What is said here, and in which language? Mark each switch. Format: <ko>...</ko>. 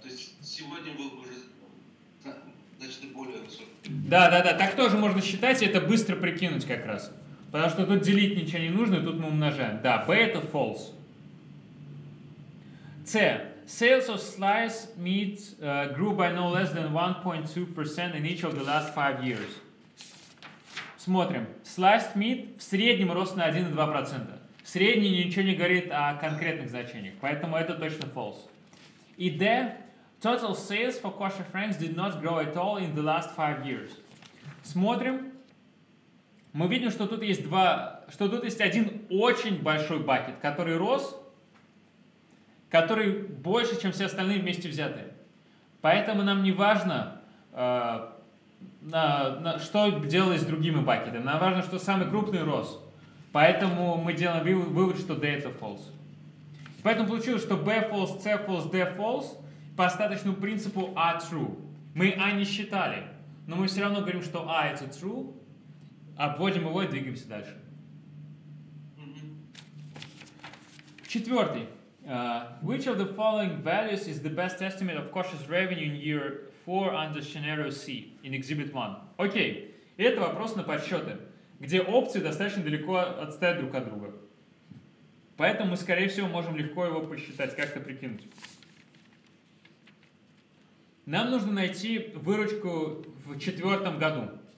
<ru>То есть сегодня было бы уже значит более высоко. Да. Так тоже можно считать, и это быстро прикинуть как раз. Потому что тут делить ничего не нужно, и тут мы умножаем. Да, B это false. C.</ru> <en>Sales of slice meat grew by no less than 1.2% in each of the last 5 years.</en> <ru>Смотрим. Sliced meat в среднем рос на 1,2%. Средний ничего не говорит о конкретных значениях, поэтому это точно false. И D.</ru> <en>Total sales for kosher franks did not grow at all in the last 5 years.</en> <ru>Смотрим. Мы видим, что тут есть один очень большой бакет, который рос, который больше, чем все остальные вместе взятые. Поэтому нам не важно, что делалось с другими бакетами. Нам важно, что самый крупный рос. Поэтому мы делаем вывод, что D это false. Поэтому получилось, что B false, C false, D false по остаточному принципу A true. Мы A не считали, но мы все равно говорим, что A это true, обводим его и двигаемся дальше. Четвертый.</ru> <en>Which of the following values is the best estimate of kosher's revenue in year 4 under scenario C in exhibit 1?</en> <ru>Окей, это вопрос на подсчеты, где опции достаточно далеко отстоят друг от друга. Поэтому мы, скорее всего, можем легко его посчитать, как-то прикинуть. Нам нужно найти выручку в четвертом году.</ru>